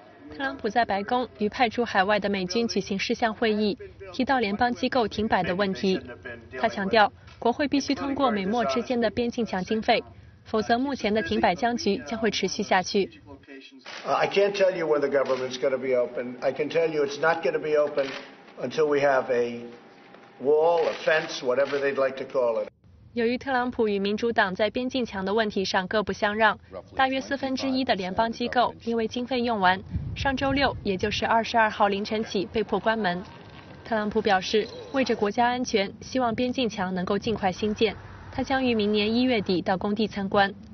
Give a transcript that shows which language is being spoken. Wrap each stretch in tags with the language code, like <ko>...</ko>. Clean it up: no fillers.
<zh>特朗普在白宫与派驻海外的美军举行视像会议，提到联邦机构停摆的问题，他强调国会必须通过美墨之间的边境墙经费，否则目前的停摆僵局将会持续下去。</zh> <en>I can't tell you when the government's going to be open. I can tell you it's not going to be open until we have a wall, a fence, whatever they'd like to call it.</en> <zh>由于特朗普与民主党在边境墙的问题上各不相让，大约1/4的联邦机构因为经费用完，上周六，也就是22号凌晨起被迫关门。特朗普表示，为着国家安全，希望边境墙能够尽快兴建，他将于明年1月底到工地参观。</zh>